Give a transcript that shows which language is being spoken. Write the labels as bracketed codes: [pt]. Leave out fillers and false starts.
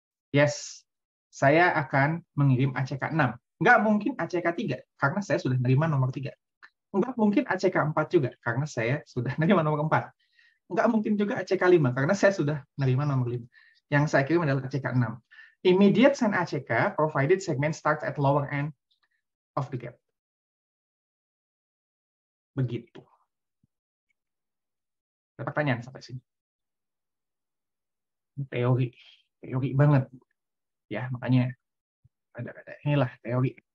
[id] Yes, saya akan mengirim ACK 6. Nggak mungkin ACK 3, karena saya sudah nerima nomor 3. Nggak mungkin ACK 4 juga, karena saya sudah nerima nomor 4. Nggak mungkin juga ACK 5, karena saya sudah nerima nomor 5. Yang saya kirim adalah ACK 6. [en] Immediate send ACK provided segment starts at lower end of the gap. [id] Begitu. Ada pertanyaan sampai sini? Teori. Teori banget. Ya, makanya ada-ada. Inilah teori.